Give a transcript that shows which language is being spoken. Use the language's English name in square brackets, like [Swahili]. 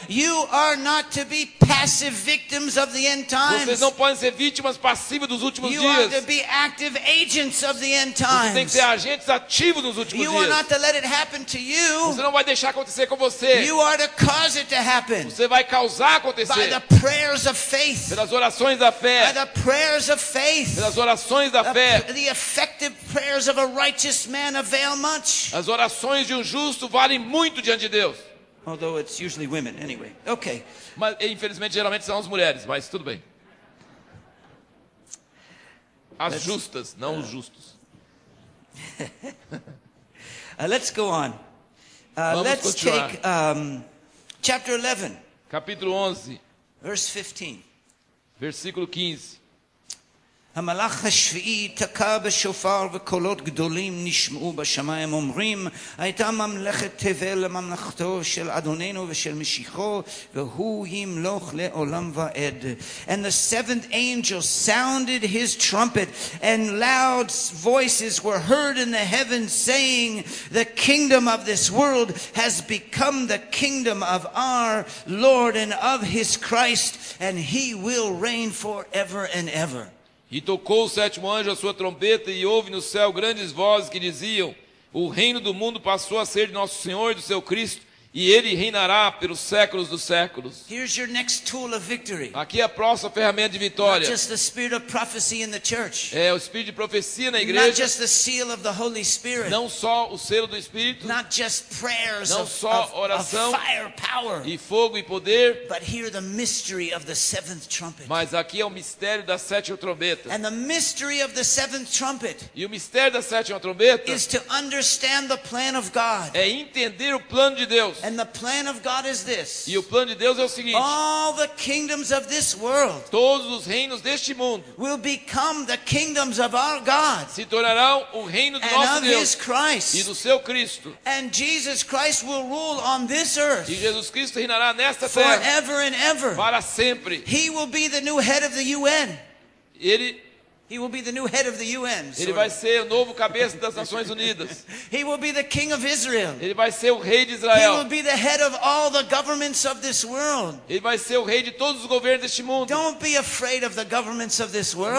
[English] You are not to be passive victims of the end times. [Portuguese] Vocês não podem ser vítimas passivas dos últimos [English] you [Portuguese] dias. [English] You are to be active agents of the end times. [Portuguese] Vocês têm que ser agentes ativos nos últimos [English] you [Portuguese] dias. [English] You are not to let it happen to you. [Portuguese] Você não vai deixar acontecer com você. [English] You are to cause it to happen. [Portuguese] Você vai causar acontecer. [English] By the prayers of faith. [Portuguese] Pelas orações da fé. [English] By the prayers of faith. [Portuguese] Pelas orações da fé. [English] The effective prayers of a righteous righteous man avail much. [Portuguese] As orações de um justo valem muito diante de Deus. [English] Although it's usually women, anyway. Okay. [Portuguese] Mas infelizmente geralmente são as mulheres, mas tudo bem. As justas, não os justos. [English] Let's go on. Let's [Portuguese] continuar. [English] Take chapter 11. [Portuguese] Capítulo 11. [English] Verse 15. [Portuguese] Versículo 15. [Hebrew] המלאך השביעי תקע בשופר וקולות גדולים נשמעו בשמיים אומרים הייתה ממלכת תבל לממלכתו של אדוננו ושל משיחו והוא ימלוך לעולם ועד. [English] And the seventh angel sounded his trumpet and loud voices were heard in the heavens saying the kingdom of this world has become the kingdom of our Lord and of his Christ and he will reign forever and ever. [Portuguese] E tocou o sétimo anjo a sua trombeta e houve no céu grandes vozes que diziam o reino do mundo passou a ser de nosso Senhor e do seu Cristo e ele reinará pelos séculos dos séculos. [English] Here's your next tool of victory. [Portuguese] Aqui é a próxima ferramenta de vitória. [English] Not just the spirit of prophecy in the church. [Portuguese] É o espírito de profecia na igreja. [English] Not just the seal of the Holy Spirit. [Portuguese] Não só o selo do Espírito. [English] Not just prayers [Portuguese] não só oração [English] of fire power, [Portuguese] e fogo e poder. [English] But here the mystery of the seventh trumpet. [Portuguese] Mas aqui é o mistério da sétima trombeta. [English] And the mystery of the seventh trumpet. [Portuguese] E o mistério da sétima trombeta [English] is to understand the plan of God. [Portuguese] É entender o plano de Deus. [English] And the plan of God is this. [Portuguese] E o plano de Deus é o seguinte. [English] All the kingdoms of this world. [Portuguese] Todos os reinos deste mundo. [English] Will become the kingdoms of our God. [Portuguese] Se tornarão o reino do nosso Deus. [English] And of his Christ. [Portuguese] E do seu Cristo. [English] And Jesus Christ will rule on this earth. [Portuguese] E Jesus Cristo reinará nesta [English] forever [Portuguese] terra. [English] Forever and ever. [Portuguese] Para sempre. [English] He will be the new head of the UN. He will be the new head of the UN. [Portuguese] Ele vai ser o novo cabeça das Nações Unidas. [English] He will be the king of Israel. [Portuguese] Ele vai ser o rei de Israel. [English] He will be the head of all the governments of this world. [Portuguese] Ele vai ser o rei de todos os governos deste mundo. [English] Don't be afraid of the governments of this world.